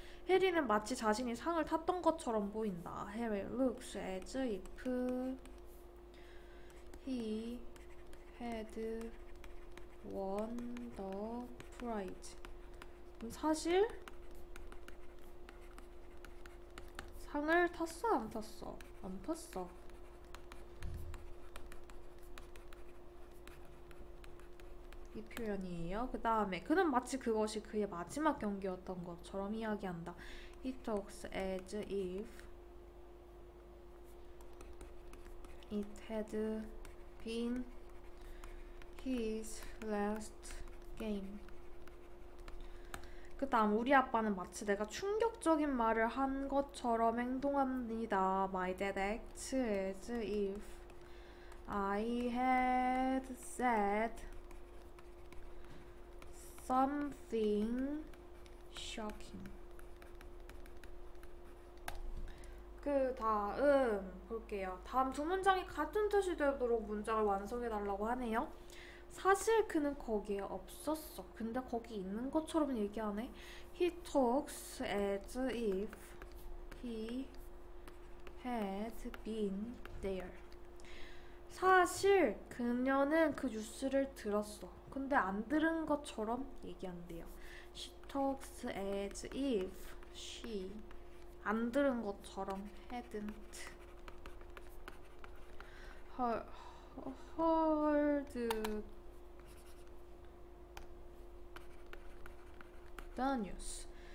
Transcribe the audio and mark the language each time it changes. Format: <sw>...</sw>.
<ko>해리는 마치 자신이 상을 탔던 것처럼 보인다.</ko> <en>Harry looks as if he had won the prize.</en> <ko>사실 상을 탔어? 안 탔어? 안 탔어. 이 표현이에요. 그 다음에 그는 마치 그것이 그의 마지막 경기였던 것처럼 이야기한다.</ko> <en>He talks as if it had been his last game.</en> <ko>그 다음 우리 아빠는 마치 내가 충격적인 말을 한 것처럼 행동합니다.</ko> <en>My dad acts as if I had said something shocking.</en> <ko>그 다음 볼게요. 다음 두 문장이 같은 뜻이 되도록 문장을 완성해 달라고 하네요. 사실 그는 거기에 없었어. 근데 거기 있는 것처럼 얘기하네.</ko> <en>He talks as if he had been there.</en> <ko>사실 그녀는 그 뉴스를 들었어. 근데 안 들은 것처럼 얘기한대요.</ko> <en>She talks as if she</en> <ko>안 들은 것처럼</ko> <en>hadn't heard the news.</en>